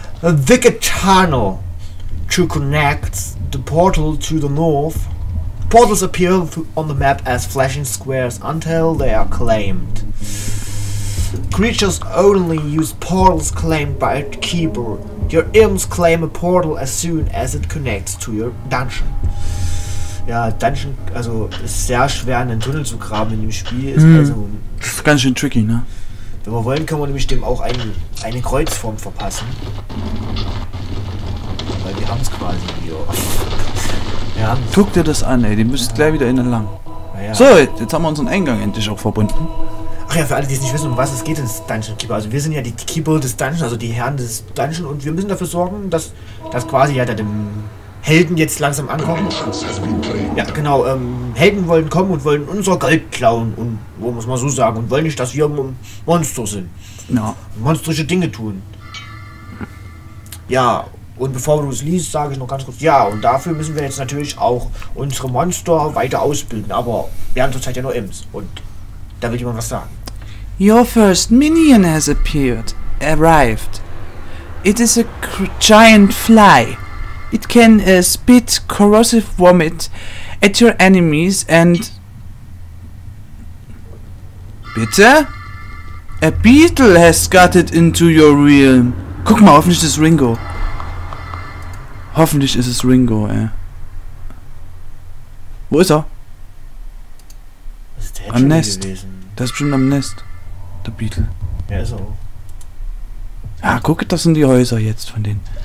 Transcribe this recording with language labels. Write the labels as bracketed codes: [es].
[en] Vicatano to connect the portal to the north. Portals appear on the map as flashing squares until they are claimed. Creatures only use portals claimed by a keeper. Your imps claim a portal as soon as it connects to your dungeon. [de] Ja, Dungeon, also ist sehr schwer, einen Tunnel zu graben in dem Spiel. Ist das ist ganz schön tricky, ne? Wenn wir wollen, können wir nämlich dem auch eine Kreuzform verpassen. Weil wir haben es quasi hier. Guck dir das an, ey, die müssen gleich wieder innen lang. Naja. So, jetzt haben wir unseren Eingang endlich auch verbunden. Ach ja, für alle, die es nicht wissen, um was es geht ins Dungeon Keeper. Also wir sind ja die Keeper des Dungeons, also die Herren des Dungeons, und wir müssen dafür sorgen, dass das quasi ja dem Helden jetzt langsam ankommt. Ja, genau, Helden wollen kommen und wollen unser Gold klauen, und wo muss man so sagen, und wollen nicht, dass wir Monster sind. Ja. Monstrische Dinge tun. Ja. Und bevor du es liest, sage ich noch ganz kurz, ja, und dafür müssen wir jetzt natürlich auch unsere Monster weiter ausbilden. Aber wir haben zurzeit ja nur Imps. Und da will jemand was sagen. [en] Your first minion has appeared. Arrived. It is a giant fly. It can spit corrosive vomit at your enemies and... [de] Bitte? [en] A beetle has scuttled into your realm. [de] Guck mal, hoffentlich ist Ringo. Hoffentlich ist es Ringo, ey. Wo ist er? Was ist der am Nest. Gewesen? Der ist bestimmt am Nest. Der Beetle. Ja, ist er. Ja, guck, das sind die Häuser jetzt von denen.